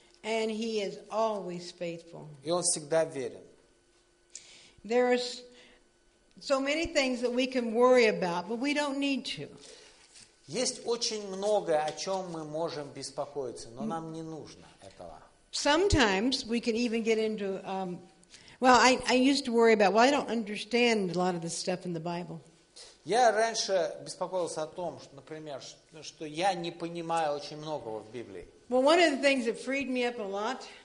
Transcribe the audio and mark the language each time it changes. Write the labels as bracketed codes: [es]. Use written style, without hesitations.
[en] And he is always faithful. [ru] И он всегда верен. [en] There are so many things that we can worry about, but we don't need to. [ru] Есть очень много, о чем мы можем беспокоиться, но нам не нужно этого. [en] Sometimes we can even get into I used to worry about, I don't understand a lot of the stuff in the Bible. [ru] Я раньше беспокоился о том, что, например, что я не понимаю очень многого в Библии. [en] Well, one of the things that freed me up a lot.